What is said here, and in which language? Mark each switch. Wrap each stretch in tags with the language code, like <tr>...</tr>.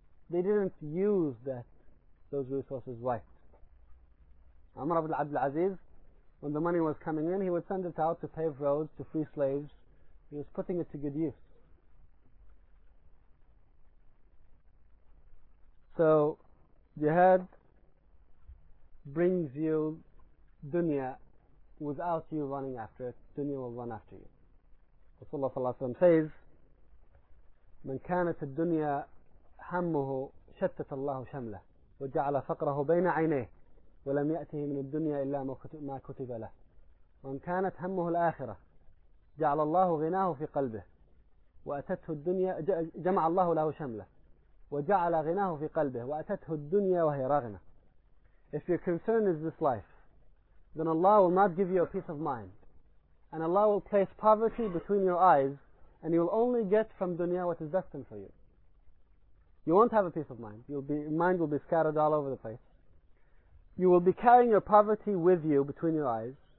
<en>They didn't use those resources right. Umar ibn Abd al-Aziz, when the money was coming in, he would send it out to pave roads, to free slaves. He was putting it to good use. So, jihad brings you dunya without you running after it. Dunya will run after you.</en> <ar>Rasulullah sallallahu alayhi wa sallam says, من كانت الدنيا حمه شتت الله شمله وجعل فقره بين عينيه ولم يأته من الدنيا إلا ما كتب له ومن كانت همه الآخرة جعل الله غناه في قلبه وأتته الدنيا جمع الله له شمله وجعل غناه في قلبه وأتته الدنيا وهي راغنة.</ar> <en>If your concern is this life, then Allah will not give you a peace of mind, and Allah will place poverty between your eyes, and you will only get from dunya what is destined for you. You won't have a peace of mind. Your mind will be scattered all over the place. You will be carrying your poverty with you between your eyes.</en>